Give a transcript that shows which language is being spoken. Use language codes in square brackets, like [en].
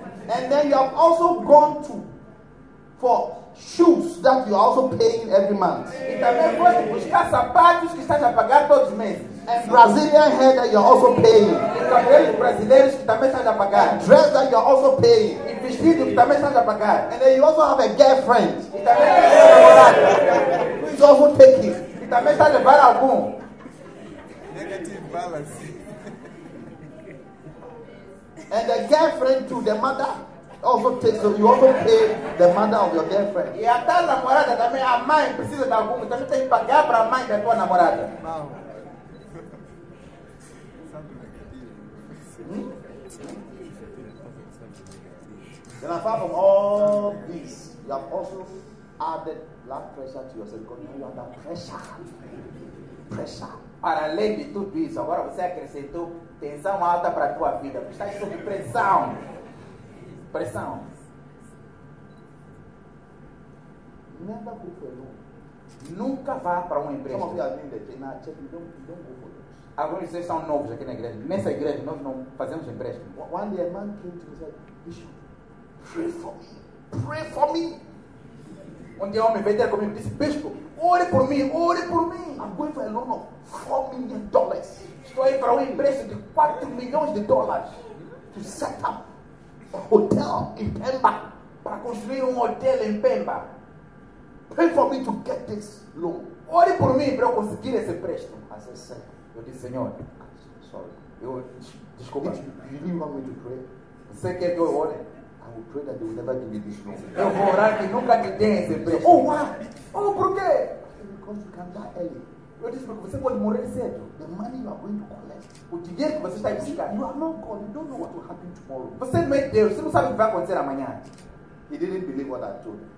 [en] And then you have also gone to for shoes that you are also paying every month. [pt] E também pode buscar sapatos que estás a pagar todos os meses. [en] And Brazilian hair that you're also paying. [pt] Brasileiros que também estás a pagar. [en] And dress that you're also paying. [pt] E vestido que também estás a pagar. [en] And then you also have a girlfriend. [pt] E também tem uma namorada. [en] Who is also taking. [pt] E também está a levar algum. [en] Negative balance. And the girlfriend too, the mother also takes, so you also pay the mother of your girlfriend. [pt] E até a namorada também, a mãe precisa de algum, então você tem que pagar para a mãe da tua namorada. [en] Then apart from all this, you have also added blood pressure to yourself because now you're under pressure. Pressure. [pt] Para além de tudo isso, agora você acrescentou tensão alta para a tua vida, porque está sob pressão. Pressão. [en] Never go for it. [pt] Nunca vá para um emprego. Alguns de vocês são novos aqui na igreja. Nessa igreja nós não fazemos empréstimo. [en] One day a man came to me and said, Bishop, pray for me. Pray for me. [pt] Um dia um homem veio ter comigo e disse, Bispo, ore por mim, ore por mim. [en] I'm going for a loan of $4 million. [pt] Estou aí para um empréstimo de $4 million [en] to set up a hotel in Pemba. [pt] Para construir um hotel em Pemba. [en] Pray for me to get this loan. [pt] Ore por mim para eu conseguir esse empréstimo. [en] As I said, [pt] eu disse, Senhor, [en] sorry. [pt] Eu, desculpa. [en] Did you really want me to pray? [pt] Você quer que eu ore? [en] I will pray that they will never give me this loan. [pt] Eu vou orar que nunca me dê esse empréstimo. [en] Oh, why? [pt] Oh, por quê? [en] Because you can die early. [pt] Eu disse, porque você pode morrer cedo. [en] The money you are going to collect. [pt] O dinheiro que você está a buscar. [en] You are not God. You don't know what will happen tomorrow. [pt] Você não é Deus. Você não sabe o que vai acontecer amanhã. [en] He didn't believe what I told him.